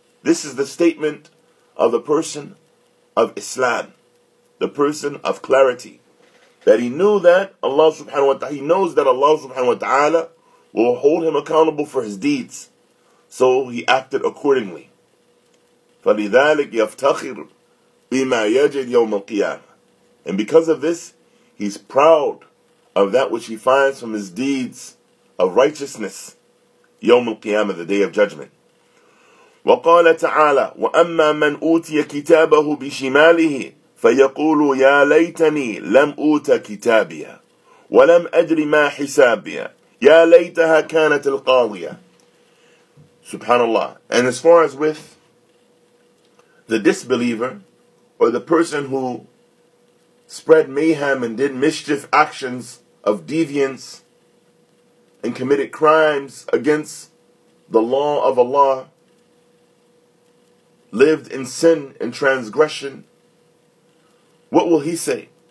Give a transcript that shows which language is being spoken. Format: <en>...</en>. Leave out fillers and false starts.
<en>This is the statement of the person of Islam, the person of clarity, that he knew that Allah subhanahu wa ta'ala, he knows that Allah subhanahu wa ta'ala will hold him accountable for his deeds, so he acted accordingly.</en> <ar>فَلِذَٰلِكْ يَفْتَخِرْ بِمَا يَجِدْ يَوْمَ الْقِيَامَةِ.</ar> <en>And because of this, he's proud of that which he finds from his deeds of righteousness, يَوْمَ الْقِيَامَةِ, the Day of Judgment.</en> <ar>وقال تعالى وأما من أوتي كتابه بشماله فيقول يا ليتني لم أوت كتابيا ولم أدر ما حسابيا يا ليتها كانت القاضية. Subhanallah.</ar> <en>And as far as with the disbeliever or the person who spread mayhem and did mischief actions of deviance and committed crimes against the law of Allah, lived in sin and transgression, what will he say?</en>